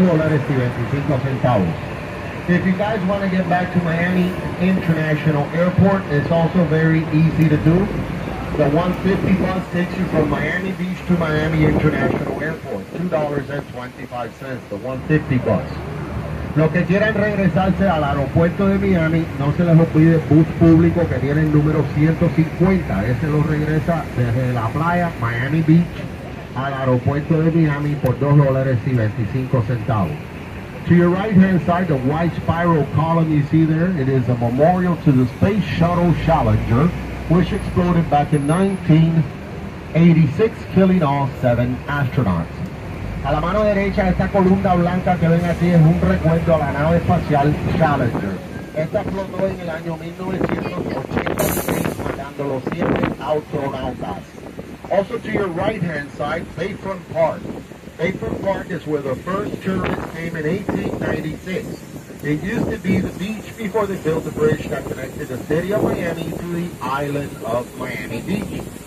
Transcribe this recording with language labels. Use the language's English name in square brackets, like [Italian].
[English] If you guys want to get back to Miami International Airport, it's also very easy to do. The 150 bus takes you from Miami Beach to Miami International Airport. $2.25, the 150 bus. [Spanish] Los que quieran regresarse al aeropuerto de Miami, no se les olvide bus público que tiene el número 150. Ese lo regresa desde la playa, Miami Beach, al aeropuerto de Miami por $2.25. [English] To your right-hand side, the white spiral column you see there, it is a memorial to the Space Shuttle Challenger, which exploded back in 1986, killing all 7 astronauts. [Spanish] A la mano derecha, esta columna blanca que ven aquí es un recuerdo a la nave espacial Challenger. Esta explotó en el año 1986, matando los 7 astronautas. [English] Also to your right-hand side, Bayfront Park. Bayfront Park is where the first tourists came in 1896. It used to be the beach before they built the bridge that connected the city of Miami to the island of Miami Beach.